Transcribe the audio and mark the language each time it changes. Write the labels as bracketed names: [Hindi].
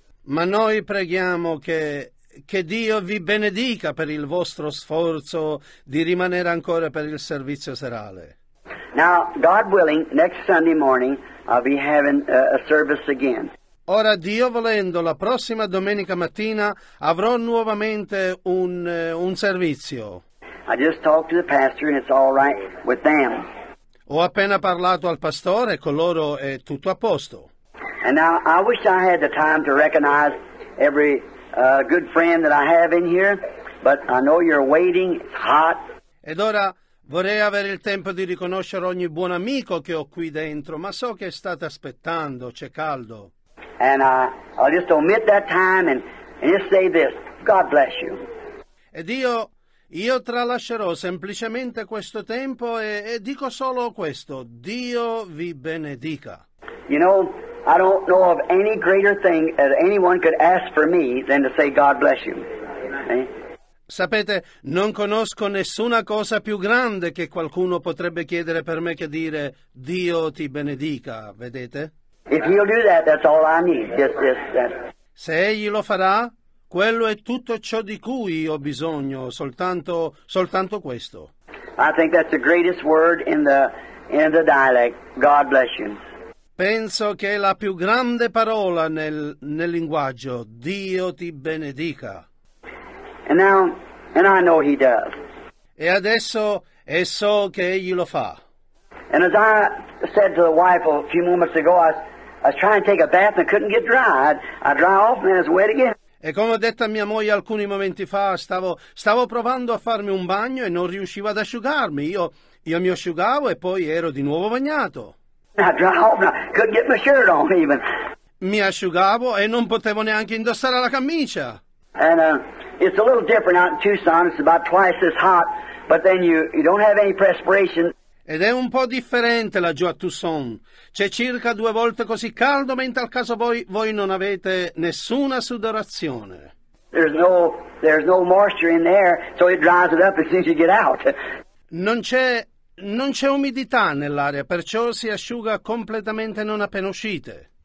[Italian] Ma noi preghiamo che Dio vi benedica per il vostro sforzo di rimanere ancora per il servizio serale. [English] Now, God willing, next Sunday morning I'll be having a service again. [Italian] Ora, Dio volendo, la prossima domenica mattina avrò nuovamente un servizio. [English] I just talked to the pastor and it's all right with them. [Italian] Ho appena parlato al pastore e con loro è tutto a posto. [English] And now, I wish I had the time to recognize every good friend that I have in here, but I know you're waiting. It's hot. [Italian] Ed ora vorrei avere il tempo di riconoscere ogni buon amico che ho qui dentro, ma so che state aspettando, c'è caldo. [English] And I'll just omit that time and just say this: God bless you. [Italian] Ed io tralascerò semplicemente questo tempo e dico solo questo: Dio vi benedica. [English] You know, I don't know of any greater thing that anyone could ask for me than to say, God bless you. Eh? [Italian] Sapete, non conosco nessuna cosa più grande che qualcuno potrebbe chiedere per me che dire Dio ti benedica, vedete? [English] If he'll do that, that's all I need. Just that. [Italian] Se egli lo farà, quello è tutto ciò di cui ho bisogno, soltanto questo. [English] I think that's the greatest word in the dialect. God bless you. [Italian] Penso che è la più grande parola nel linguaggio, Dio ti benedica. [English] And I know he does. [Italian] E adesso e so che egli lo fa. [English] And as I said to the wife a few moments ago, I was trying to take a bath and couldn't get dry. I dry off and then it's wet again. [Italian] E come ho detto a mia moglie alcuni momenti fa, stavo provando a farmi un bagno e non riuscivo ad asciugarmi. Io mi asciugavo e poi ero di nuovo bagnato. [English] I dry off and I couldn't get my shirt on even. [Italian] Mi asciugavo e non potevo neanche indossare la camicia. [English] It's a little different out in Tucson. It's about twice as hot, but then you don't have any perspiration. [Italian] Ed è un po' differente laggiù a Tucson. C'è circa due volte così caldo, mentre al caso voi non avete nessuna sudorazione. [English] There's no moisture in the air, so it dries it up as soon as you get out. [Italian] Non c'è umidità nell'aria, perciò si asciuga completamente non appena uscite.